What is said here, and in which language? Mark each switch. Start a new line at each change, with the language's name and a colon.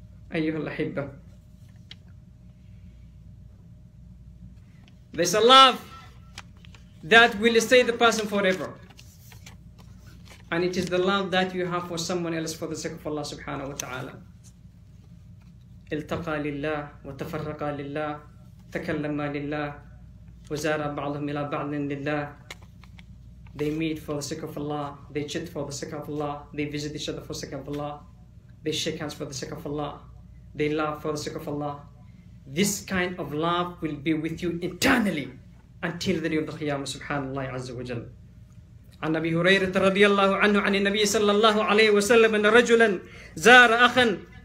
Arabic: Ayyuhal ahibba.
English: There's a love that will stay the person forever. And it is the love that you have for someone else for the sake of Allah subhanahu wa ta'ala.
Arabic: التقى لله وتفرقا لله تكلما لله وزار بعضهم إلى بعض لله.
English: They meet for the sake of Allah, they chat for the sake of Allah, they visit each other for the sake of Allah, they shake hands for the sake of Allah, they love for the sake of Allah. This kind of love will be with you eternally until the day of the Qiyamah,
Arabic: subhanAllah Azza wa Jal. عن أبي هريرة رضي الله عنه عن النبي صلى الله عليه وسلم أن رجلا زار أخا.